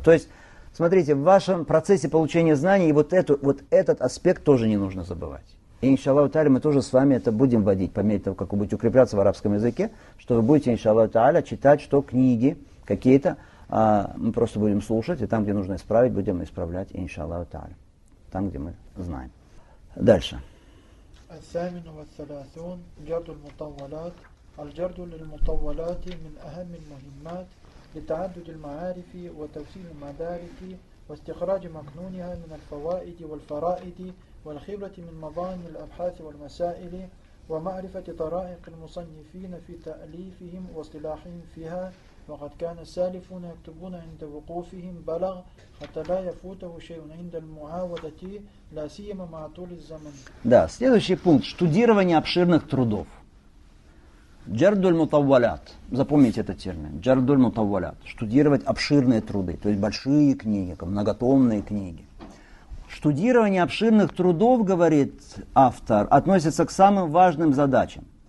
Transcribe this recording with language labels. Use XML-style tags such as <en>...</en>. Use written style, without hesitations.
<ru>То есть, смотрите, в вашем процессе получения знаний вот этот аспект тоже не нужно забывать. И, иншаллаху та'аля, мы тоже с вами это будем вводить, по мере того, как вы будете укрепляться в арабском языке, что вы будете, иншаллаху та'аля, читать, что книги какие-то, мы просто будем слушать, и там, где нужно исправить, будем исправлять, иншаллаху та'аля, там, где мы знаем. Дальше.</ru> <ar>Ас-самину ас-саласун, джардуль мутавалат, аль-джардуль мутавалати, мин ахаммин мухиммат, لتعدد المعارف وتوسيع المدارك واستخراج مكنونها من الفوائد والفرائد والخبرة من مضان الأبحاث والمسائل ومعرفة طرائق المصنفين في تأليفهم واصطلاحهم فيها وقد كان السالفون يكتبون عند وقوفهم بلغ حتى لا يفوته شيء عند المعاودة لا سيما مع طول الزمن.</ar> <ru>Да, следующий пункт. Штудирование обширных трудов. Джардуль мутавалят. Запомните этот термин. Джардуль мутавалят. Штудировать обширные труды, то есть большие книги, многотомные книги. Штудирование обширных трудов, говорит автор, относится к самым важным задачам.</ru>